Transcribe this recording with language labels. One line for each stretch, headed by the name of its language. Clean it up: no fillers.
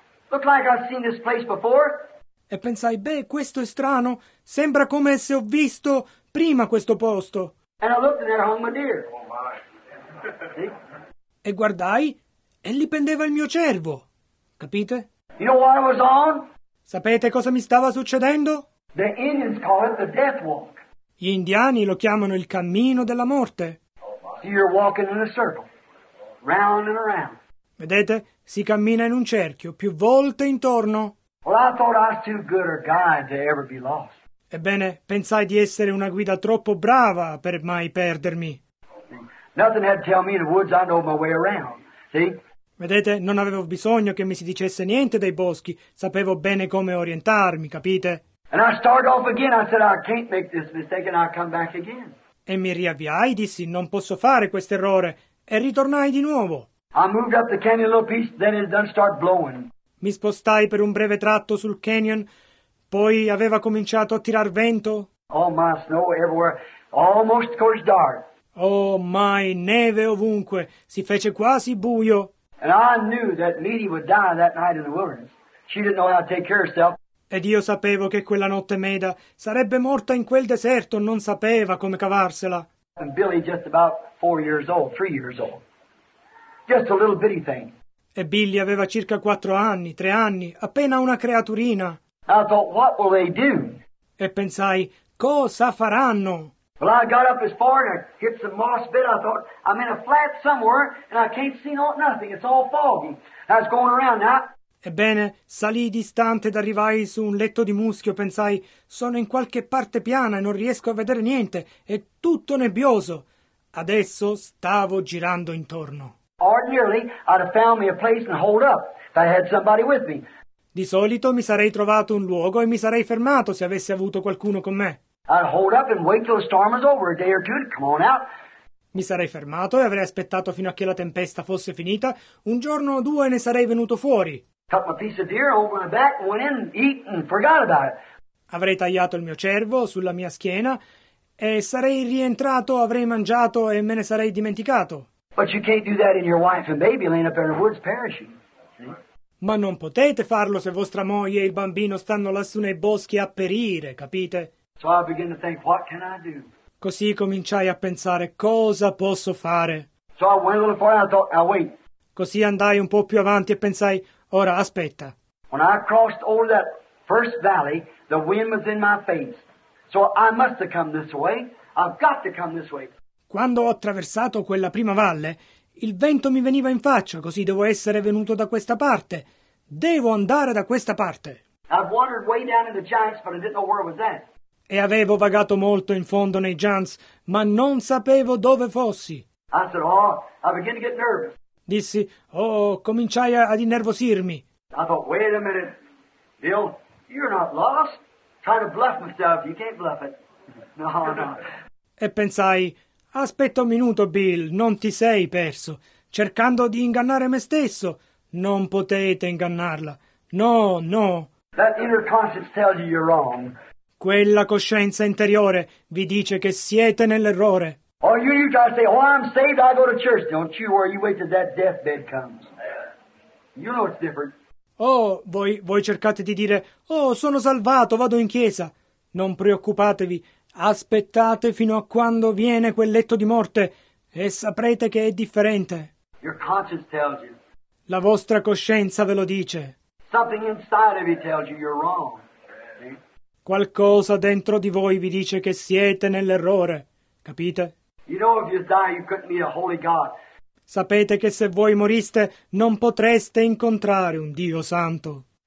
English: Looked like I've seen this place before.
Italian: E pensai, beh, questo è strano, sembra come se ho visto prima questo posto.
English: And I looked and there hung my deer. Oh my.
Italian: E guardai, e lì pendeva il mio cervo. Capite?
English: You know what was on?
Italian: Sapete cosa mi stava succedendo?
English: The Indians call it the death walk.
Italian: Gli indiani lo chiamano il cammino della morte.
English: So you're walking in a circle, round and around.
Italian: Vedete? Si cammina in un cerchio, più volte intorno.
English: Well, I thought I was too good a guide to ever be lost.
Italian: Ebbene, pensai di essere una guida troppo brava per mai perdermi.
English: Nothing had to tell me in the woods, I know my way around. See?
Italian: Vedete, non avevo bisogno che mi si dicesse niente dei boschi, sapevo bene come orientarmi, capite?
English: And I started off again, I said, I can't make this mistake and I'll come back again.
Italian: E mi riavviai, dissi, non posso fare questo errore, e ritornai di nuovo.
English: I moved up the canyon a little piece, then it done start blowing.
Italian: Mi spostai per un breve tratto sul canyon, poi aveva cominciato a tirar vento.
English: Oh my, snow everywhere, almost goes dark. Oh my,
Italian: neve ovunque, si fece quasi buio.
English: And I knew that Meaty would die that night in the wilderness. She didn't know how to take care of herself.
Italian: Ed io sapevo che quella notte Meda sarebbe morta in quel deserto, non sapeva come cavarsela.
English: And Billy just about 4 years old, 3 years old. Just a little bitty thing.
Italian: E Billy aveva circa 3 anni, appena una creaturina.
English: I thought, what will they do?
Italian: E pensai, cosa faranno?
English: Well, I got up as far and I hit some moss bit. I thought, I'm in a flat somewhere and I can't see nothing. It's all foggy. I was going around now.
Italian: Ebbene, salii distante ed arrivai su un letto di muschio. Pensai, sono in qualche parte piana e non riesco a vedere niente. È tutto nebbioso. Adesso stavo girando intorno.
English: Ordinarily, I'd have found me a place and hold up if I had somebody with me.
Italian: Di solito mi sarei trovato un luogo e mi sarei fermato se avessi avuto qualcuno con me.
English: I'd hold up and wait till the storm was over, a day or two, to come on out.
Italian: Mi sarei fermato e avrei aspettato fino a che la tempesta fosse finita. Un giorno o due ne sarei venuto fuori.
English: Cut my piece of deer over my back, went in, eat, and forgot about it.
Italian: Avrei tagliato il mio cervo sulla mia schiena e sarei rientrato, avrei mangiato e me ne sarei dimenticato.
English: But you can't do that in your wife and baby laying up in the woods perishing.
Italian: Ma non potete farlo se vostra moglie e il bambino stanno lassù nei boschi a perire, capite?
English: So I began to think, what can I do?
Italian: Così cominciai a pensare, cosa posso fare?
English: So I went a little farther and I thought, I'll wait.
Italian: Così andai un po' più avanti e pensai, ora aspetta.
English: When I crossed over that first valley, the wind was in my face. So I must have come this way. I've got to come this way.
Italian: Quando ho attraversato quella prima valle, il vento mi veniva in faccia, così devo essere venuto da questa parte. Devo andare da questa parte.
English: I've wandered way down in the giants, but I didn't know where it was at.
Italian: E avevo vagato molto in fondo nei Giants, ma non sapevo dove fossi.
English: I said, oh, I begin to get nervous.
Italian: Dissi, oh, cominciai ad innervosirmi.
English: I thought, wait a minute, Bill, you're not lost. Try to bluff myself, you can't bluff it. No.
Italian: E pensai, aspetta un minuto, Bill, non ti sei perso. Cercando di ingannare me stesso, non potete ingannarla. No.
English: That inner conscience tells you you're wrong.
Italian: Quella coscienza interiore vi dice che siete nell'errore.
English: Or you try to say, oh, I'm saved, I go to church. Don't you worry, you wait till that deathbed comes. You know it's different.
Italian: Oh, voi cercate di dire, oh, sono salvato, vado in chiesa. Non preoccupatevi, aspettate fino a quando viene quel letto di morte e saprete che è differente.
English: Your conscience tells you.
Italian: La vostra coscienza ve lo dice.
English: Something inside of you tells you you're wrong.
Italian: Qualcosa dentro di voi vi dice che siete nell'errore, capite?
English: You know, if you die, you couldn't meet a holy God.
Italian: Sapete che se voi moriste non potreste incontrare un Dio santo.